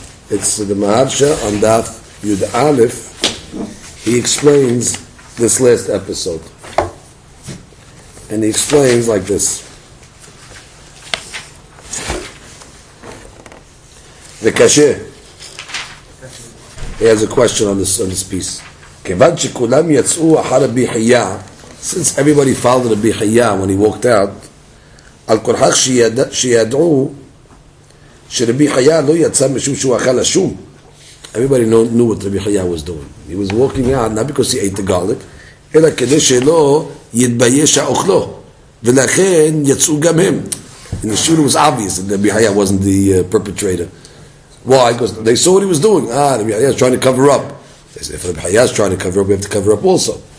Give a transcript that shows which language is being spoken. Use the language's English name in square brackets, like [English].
[English] It's the Maharsha on Daf Yud Aleph. He explains this last episode. And he explains like this. The kasher. He has a question on this piece. [Hebrew] כיוון שכולם יצאו אחר רבי חייא, [English] since everybody followed רבי חייא when he walked out, [Hebrew] על כל כך שידעו שרבי חייא לא יצא משום שהוא אכל השום. [English] Everybody knew what רבי חייא was doing. He was walking out, not because he ate the garlic, [Hebrew] אלא כדי שלא יתבייש האוכלו, ולכן יצאו גם הם. [English] And the shooter was obvious that רבי חייא wasn't the perpetrator. Why? Because they saw what he was doing. Ah, רבי חייא was trying to cover up. If Rabbi Chaya is trying to cover up, we have to cover up also.